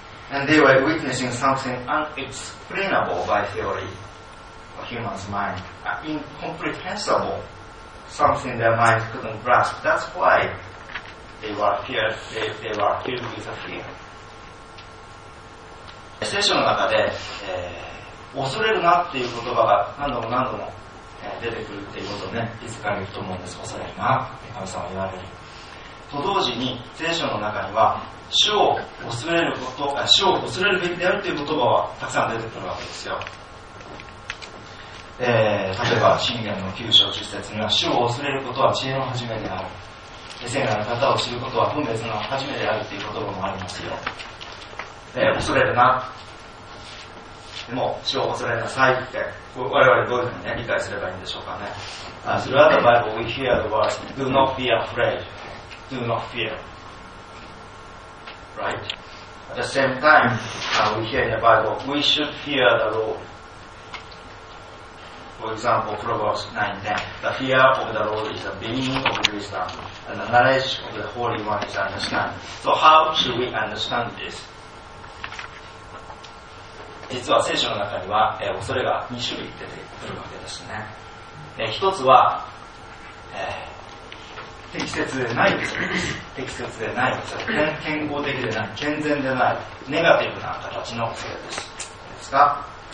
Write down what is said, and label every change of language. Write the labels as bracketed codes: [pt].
[en] And they were witnessing something unexplainable by theory or human's mind, incomprehensible, something their mind couldn't grasp. That's why they were feared, they were filled with a fear. [ja] 聖書の中で、恐れるなっていう言葉が何度も何度も、出てくるっていうことをね、気づかれると思うんです。恐れるな、神様言われる。と同時に、聖書の中には、主を恐れること、主を恐れるべきであるっていう言葉はたくさん出てくるわけですよ。例えば、箴言の9章10節には、主を恐れることは知恵の始めである。聖なる方を知ることは分別の始めであるっていう言葉もありますよ。恐れるな。でも、主を恐れなさいって、我々どういうふうに、ね、理解すればいいんでしょうかね。 [en] Throughout the Bible, we hear the words, do not be afraid. Do not fear. Right? At the same time, we hear in the Bible, we should fear the Lord. For example, Proverbs 9:10. The fear of the Lord is the beginning of wisdom, and the knowledge of the Holy One is understanding. So how should we understand this? [ja] 実は聖書の中には、恐れが2種類出てくるわけですね。一つは、適切でない恐れです。適切でない恐れ。健康的でない、健全でない、ネガティブな形の恐れです。ですか？